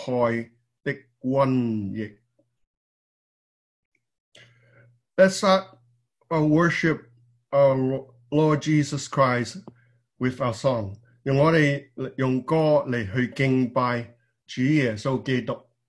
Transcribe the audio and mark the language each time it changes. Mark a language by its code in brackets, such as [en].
[zh] 他必救你脫離僕了人的羅網和毒害的瘟疫。 [en] Let's start our worship our Lord Jesus Christ with our song. [zh] 用歌來去敬拜主耶穌基督。